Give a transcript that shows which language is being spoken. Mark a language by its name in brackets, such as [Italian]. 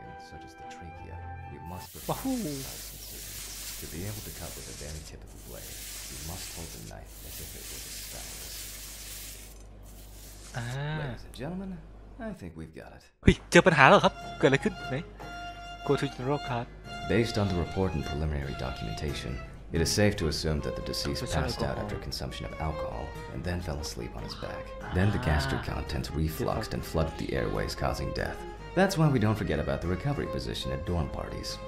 [English] such as the trachea, you must put the sentences. To be able to cut with the very tip of the blade, you must hold the knife as if it was a stylus. Ladies and gentlemen, I think we've got it. [Thai] เฮ้ยเจอปัญหาแล้วครับเกิดอะไรขึ้นไหน [English] Go to general card. Based on the report and preliminary documentation, it is safe to assume that the deceased passed out after consumption of alcohol and then fell asleep on his back. Then the gastric contents refluxed and flooded the airways, causing death. That's why we don't forget about the recovery position at dorm parties.